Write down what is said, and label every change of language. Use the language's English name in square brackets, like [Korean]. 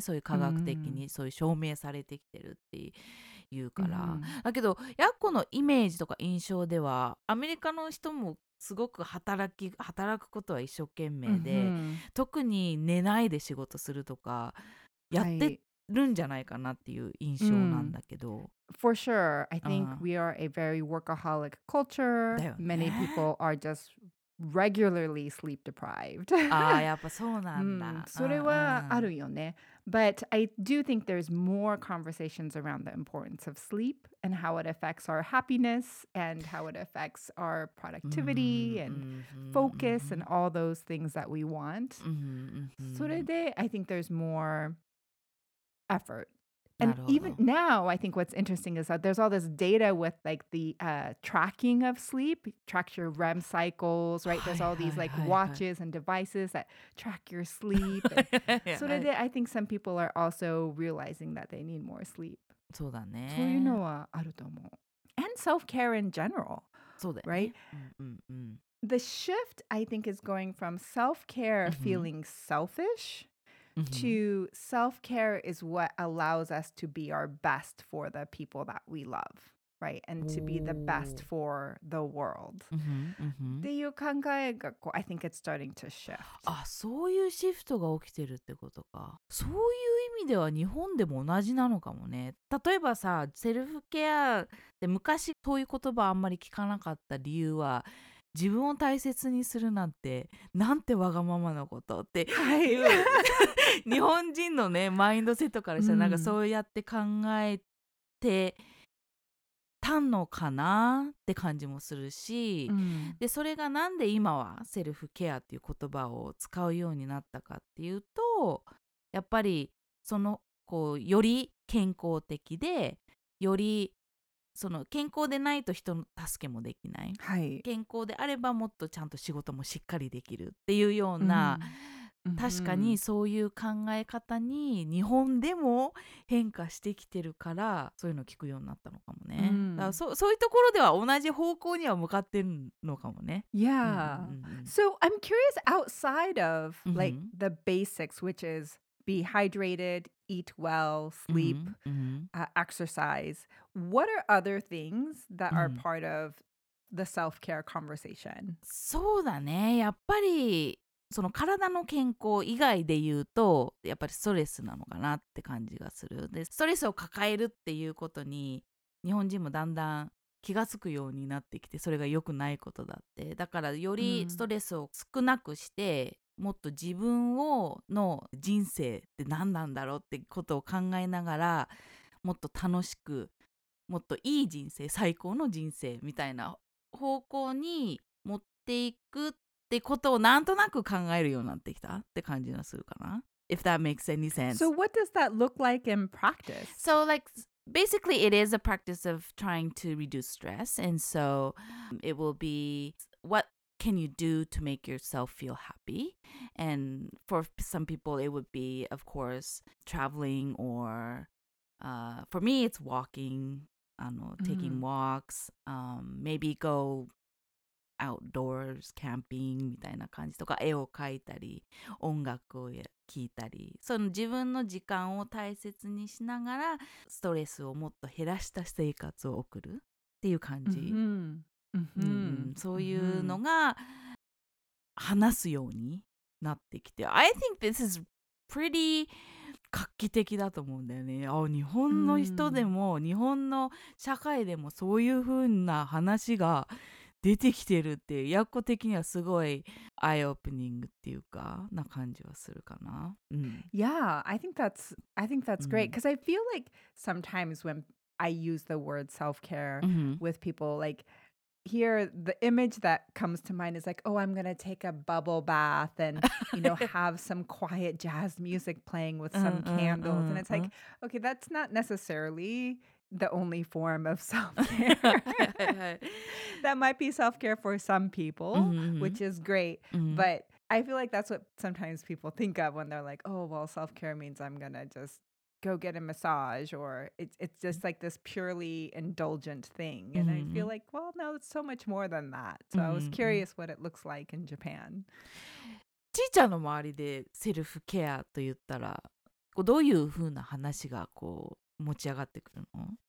[Japanese] そういう科学的にそういう証明されてきてるっていうから、うん、だけどやっこのイメージとか印象ではアメリカの人もすごく働くことは一生懸命で、うん、特に寝ないで仕事するとかやってるんじゃないかなっていう印象なんだけど、はい、 [English] For sure, I think we are a very workaholic culture、 [Japanese] ね、 [English] Many people are justregularly sleep deprived. [Japanese] ああ、やっぱそうなんだ。それはあるよね。 [English] But I do think there's more conversations around the importance of sleep and how it affects our happiness and how it affects our productivity and focus and all those things that we want. [Japanese] それで、 [English] I think there's more effort. And even now, I think what's interesting is that there's all this data with like the、tracking of sleep, track your REM cycles, right? There's all these like watches and devices that track your sleep. So today, I think some people are also realizing that they need more sleep. [Japanese] そうだね。そういうのはあると思う。 [English] And self-care in general. [Japanese] そうだね。 [English] Right? The shift, I think, is going from self-care feeling selfish,to self-care is what allows us to be our best for the people that we love, right? And to be the best for the world. [Japanese] っていう考えがこう、 [English] I think it's starting to shift. [Japanese] あ、そういうシフトが起きてるってことか。そういう意味では日本でも同じなのかもね。例えばさ、セルフケアって昔そういう言葉あんまり聞かなかった理由は、自分を大切にするなんてなんてわがままなことっていう、日本人のねマインドセットからしたらなんかそうやって考えてたのかなって感じもするし、でそれがなんで今はセルフケアっていう言葉を使うようになったかっていうと、やっぱりそのこうより健康的でよりその健康でないと人の助けもできない、はい、健康であればもっとちゃんと仕事もしっかりできるっていうような、確かにそういう考え方に日本でも変化してきてるからそういうの聞くようになったのかもね、だから そういうところでは同じ方向には向かってるのかもね。 [English] Yeah、So I'm curious outside of like the basics, which is be hydrated,eat well, sleep, exercise. What are other things that are part of the self-care conversation? [Japanese] そうだね。やっぱりその体の健康以外で言うと、やっぱりストレスなのかなって感じがする。で、ストレスを抱えるっていうことに日本人もだんだん気がつくようになってきて、それが良くないことだって。だからよりストレスを少なくして、もっと自分をの人生って何なんだろうってことを考えながら、もっと楽しく、もっといい人生、最高の人生みたいな方向に持っていくってことをなんとなく考えるようになってきたって感じがするかな。 [English] If that makes any sense. So what does that look like in practice? So like basically it is a practice of trying to reduce stress, and so it will be whatcan you do to make yourself feel happy? And for some people, it would be, of course, traveling or, for me, it's walking, taking walks, maybe go outdoors camping [Japanese] みたいな感じとか絵を描いたり音楽を聴いたりその自分の時間を大切にしながらストレスをもっと減らした生活を送るっていう感じ、 mm-hmm. Mm-hmm. うん、そういうのが話すようになってきて [English] I think this is pretty [Japanese] 画期的だと思うんだよねあ日本の人でも、mm-hmm. 日本の社会でもそういう風な話が出てきてるっていう訳語的にはすごいアイオープニングっていうかな感じはするかな、うん、 [English] Yeah, I think that's great because、うん、I feel like sometimes when I use the word self-care、うん、with people like here the image that comes to mind is like oh I'm gonna take a bubble bath and you know have some quiet jazz music playing with some candles、 [Japanese] うんうんうん、 [English] and it's like、うん、okay that's not necessarilyThe only form of self-care. that might be self-care for some people, mm-hmm. which is great. Mm-hmm. But I feel like that's what sometimes people think of when they're like, oh, well, self-care means I'm going to just go get a massage. Or it's just like this purely indulgent thing. And mm-hmm. I feel like, well, no, it's so much more than that. So mm-hmm. I was curious what it looks like in Japan. [Japanese] ちいちゃんの周りでセルフケアと言ったら、こうどういうふうな話がこう…持ち上がってくるの?